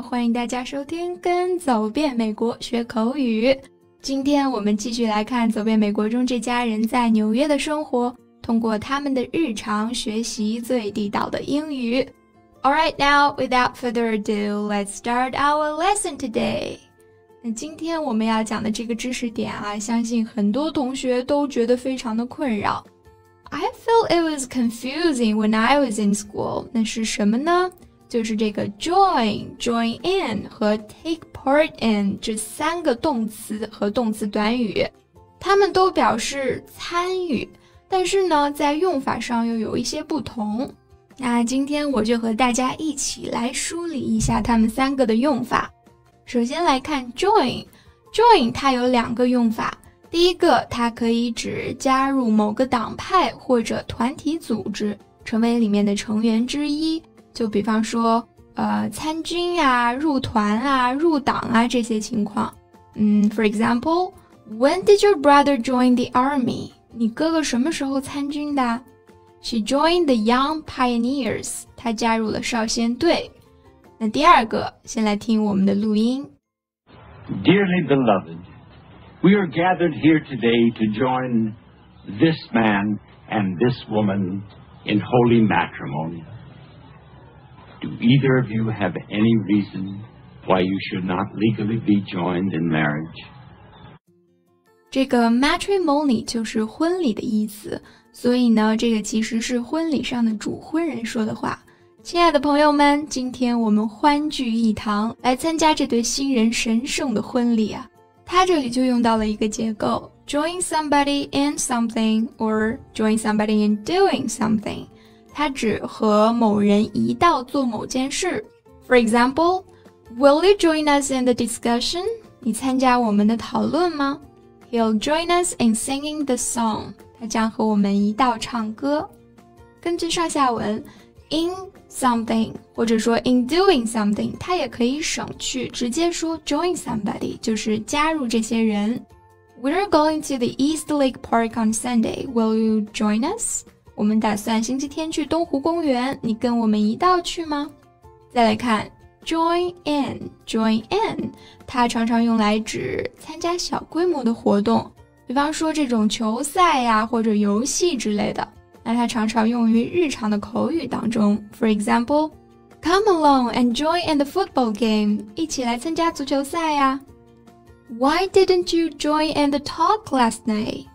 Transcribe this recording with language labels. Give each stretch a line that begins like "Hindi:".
Chinese: 欢迎大家收听跟走遍美国学口语。今天我们继续来看走遍美国中这家人在纽约的生活，通过他们的日常学习最地道的英语。
English: All right, now, without further ado, let's start our lesson today.
Chinese: 那今天我们要讲的这个知识点啊，相信很多同学都觉得非常的困扰。
English: I feel it was confusing when I was in school.
Chinese: 那是什么呢？就是这个 join in 和 take part in 这三个动词和动词短语，它们都表示参与，但是呢，在用法上又有一些不同。那今天我就和大家一起来梳理一下它们三个的用法。首先来看 join 它有两个用法。第一个，它可以指加入某个党派或者团体组织，成为里面的成员之一。就比方说，参军啊，入团啊，入党啊，这些情况。
English: For example, when did your brother join the army?
Chinese: 你哥哥什么时候参军的？
English: She joined the young pioneers.
Chinese: 她加入了少先队。那第二个，先来听我们的录音。
English: Dearly beloved,We are gathered here today to join this man and this woman in holy matrimony. Do either of you have any reason why you should not legally be joined in marriage?
Chinese: 这个 matrimony 就是婚礼的意思，所以呢，这个其实是婚礼上的主婚人说的话。亲爱的朋友们，今天我们欢聚一堂，来参加这对新人神圣的婚礼啊。他这里就用到了一个结构
English: join somebody in something or join somebody in doing something.
Chinese: 他指和某人一道做某件事。
English: For example, will you join us in the discussion?
Chinese: 你参加我们的讨论吗？
English: He'll join us in singing the song.
Chinese: 他将和我们一道唱歌。根据上下文 in something 或者说 in doing something 它也可以省去直接说 join somebody 就是加入这些人
English: We're going to the East Lake Park on Sunday Will you join us?
Chinese: 我们打算星期天去东湖公园你跟我们一道去吗再来看 join in 它常常用来指参加小规模的活动比方说这种球赛呀、或者游戏之类的那它常常用于日常的口语当中
English: For example, come along and join in the football game
Chinese: 一起来参加足球赛呀
English: Why didn't you join in the talk last night?